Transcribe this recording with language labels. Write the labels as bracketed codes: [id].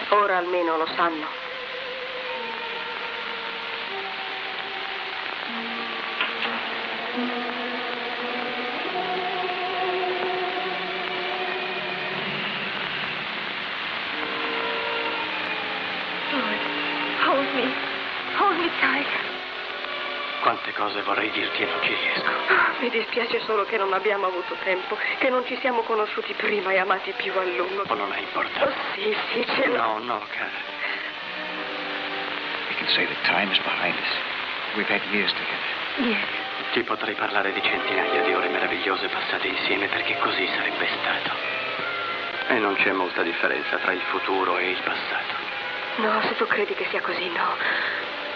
[it] Almeno lo sanno. [en] Lord, hold me. Hold me tight. [it] Quante cose vorrei dirti e non ci riesco. Mi dispiace solo che non abbiamo avuto tempo, che non ci siamo conosciuti prima e amati più a lungo. Ma non è importante. Oh, sì, sì, ce l'ho. No, no, cara. [en] We can say that time is behind us. We've had years together. Yes. [it] Ti potrei parlare di centinaia di ore meravigliose passate insieme, perché così sarebbe stato. E non c'è molta differenza tra il futuro e il passato. No, se tu credi che sia così, no.